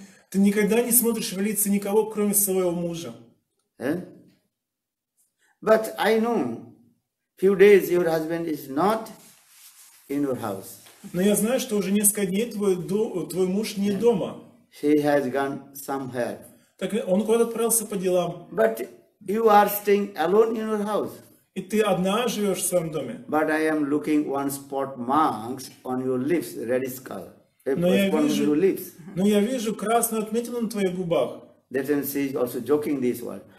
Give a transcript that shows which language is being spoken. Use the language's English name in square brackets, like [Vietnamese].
[Russian] Ты никогда не смотришь в лица никого, кроме своего мужа. [English] But I know few days your husband is not in your house. [Russian] Но я знаю, что уже несколько дней твой муж не дома. [English] He has gone somewhere. [Russian] Так он куда-то отправился по делам. [English] But you are staying alone in your house. [Russian] И ты одна живешь в своем доме. [English] But I am looking one spot marks on your lips, red skull. [Russian] Но я вижу красную отметину на твоих губах. [English] That means she is also joking this word.